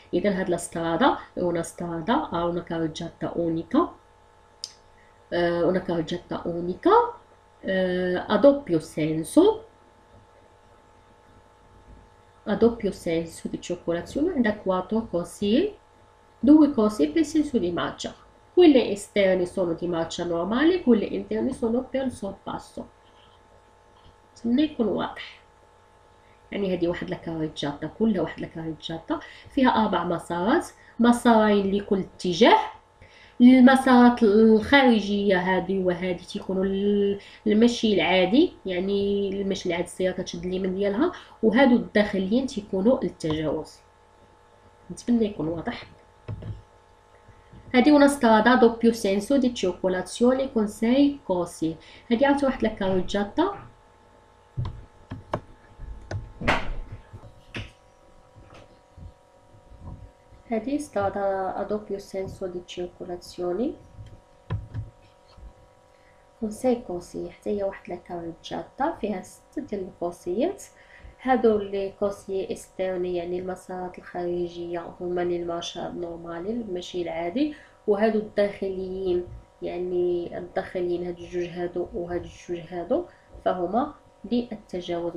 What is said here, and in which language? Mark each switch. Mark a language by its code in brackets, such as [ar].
[ar] اذا هاد [it] لا سترادا اونا سترادا او اونا كارجاتا اونيكا، اونا كارجاتا اونيكا ادوبيو سينسو، a doppio senso di circolazione da 4 corsie, 2 corsie per senso di marcia. Quelle esterne sono di marcia normale, quelle interne sono per il sorpasso. Se ne conosce. [ar] يعني هذه واحد الكاريجاتا، كلها واحد الكاريجاتا فيها 4 مسارات، مسارين لكل اتجاه. المسارات الخارجية هذه وهذه تيكونوا المشي العادي، يعني المشي العادي السيارة كتشد اليمين ديالها، وهادو الداخليين تيكونوا للتجاوز. نتمنى يكون واضح. هادي [it] una strada a doppio senso di circolazione con 6 corsie. [ar] هادي عاوتاني واحد الكاريجاتا، هذه [it] strada a doppio senso di circolazione con 6 corsie. [ar] حتى هي واحد لا كارجاتا فيها 6 ديال الكورسيات. هادو [it] لي كورسي استيرني، [ar] يعني المسارات الخارجية هما [it] لي المارشا نورمالي [ar] المشي العادي، وهادو الداخليين يعني الداخليين هاد الجوج هادو وهاد الجوج هادو فهما للتجاوز.